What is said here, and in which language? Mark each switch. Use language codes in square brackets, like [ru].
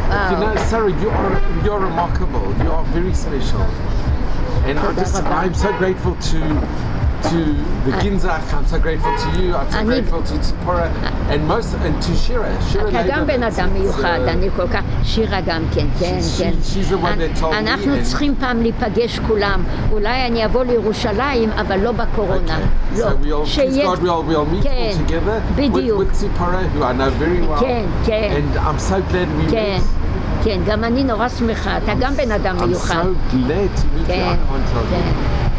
[en] You know, Sarah, you're remarkable. You are very special. And I'm so grateful to the Ginzach, I'm so grateful to you, I'm so grateful to Tzipora, and to Shira. [he] אתה גם בן אדם מיוחד, אני כל כך... שירה גם כן, כן, כן. [en] She's the one that told me. [he] אנחנו צריכים פעם להיפגש כולם. אולי אני אבוא לירושלים, אבל לא בקורונה. [en] Okay, so we all meet all together. [he] בדיוק. [en] With Tzipora, who I know very well. [he] כן, כן. [en] And I'm so glad we met. [he] כן, גם אני נורא שמחה, אתה גם בן אדם מיוחד. [en] I'm so glad to meet you, I can't tell you.